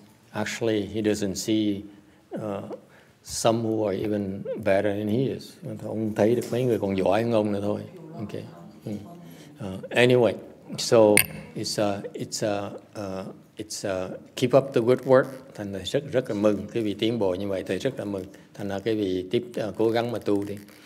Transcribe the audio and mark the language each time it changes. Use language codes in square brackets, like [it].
[en] Actually he doesn't see some who are even better than he is. [vi] Ông thấy được mấy người còn giỏi hơn ông nữa thôi. [en] Okay. Anyway, so it's keep up the good work. [vi] Thành rất rất là mừng cái vị tiến bộ như vậy, thầy rất là mừng. Thành là cái vị tiếp cố gắng mà tu đi.